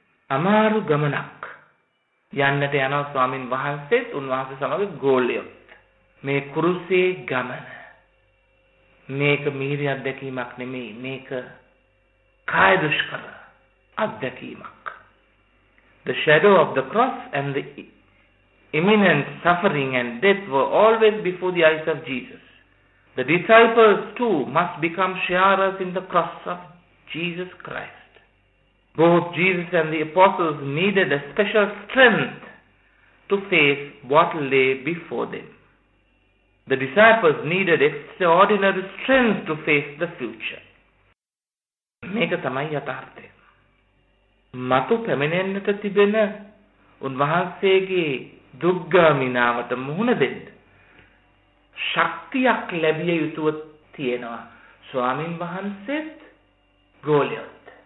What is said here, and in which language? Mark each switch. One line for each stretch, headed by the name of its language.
Sinhala: අමාරු ගමනක් යන්නට යන ස්වාමින් වහන්සේත් උන්වහන්සේ සමග ගෝලියොත් මේ කුරුසේ ගමන, මේක මිහිරි අත්දැකීමක් නෙමෙයි, මේක කාය දුෂ්කර අත්දැකීමක්.
English: The shadow of the cross and the imminent suffering and death were always before the eyes of Jesus. The disciples too must become sharers in the cross of Jesus Christ. Both Jesus and the apostles needed a special strength to face what lay before them. The disciples needed extraordinary strength to face the future.
Sinhala: Meka tamai yatharthaya. මතු පැමිණෙන්නට තිබෙන උන්වහන්සේගේ දුක්ගාමිනාවට මුහුණ දෙන්න ශක්තියක් ලැබිය යුතුව තියෙනවා ස්වාමින් වහන්සේත් ගෝලියොත්.